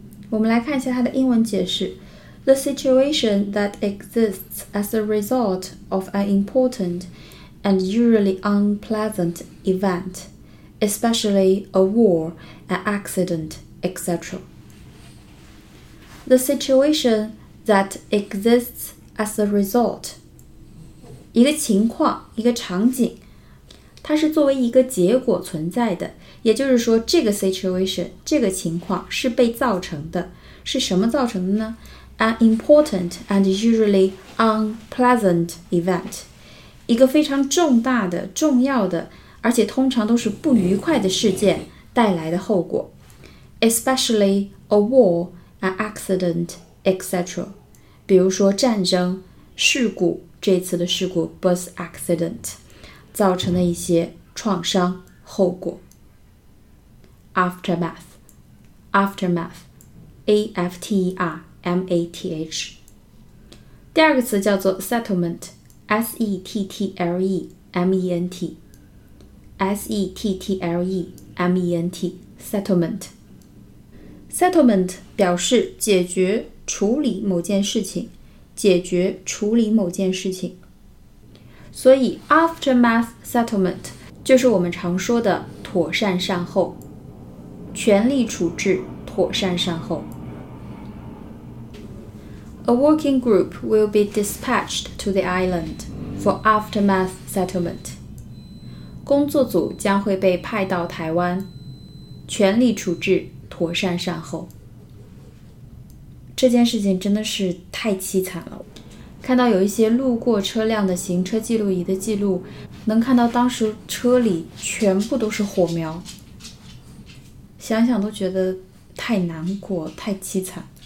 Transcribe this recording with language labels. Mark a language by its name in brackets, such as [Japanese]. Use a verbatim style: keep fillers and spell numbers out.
[English] 我们来看一下它的英文解释 The situation that exists as a result of an important and usually unpleasant event, especially a war, an accident, et cetera. the situation that exists as a result. [Chinese] 一个情况，一个场景，它是作为一个结果存在的，也就是说这个 situation 这个情况是被造成的，是什么造成的呢？ [English] An important and usually unpleasant event，一个非常重大的重要的而且通常都是不愉快的事件带来的后果， especially a war, an accident, et cetera 比如说战争、事故，这次的事故 bus accident 造成的一些创伤后果。 Aftermath Aftermath A F T E R M A T H 第二个词叫做 settlement S E T T L E M E N T S E T T L E M E N T Settlement [Chinese] Settlement 表示解决处理某件事情，解决处理某件事情，所以 Aftermath Settlement 就是我们常说的妥善善后，权力处置，妥善善后。 [English] A working group will be dispatched to the island for aftermath settlement. [Chinese] 工作组将会被派到台湾，权力处置，妥善善后。这件事情真的是太凄惨了，看到有一些路过车辆的行车记录仪的记录，能看到当时车里全部都是火苗，想想都觉得太难过，太凄惨。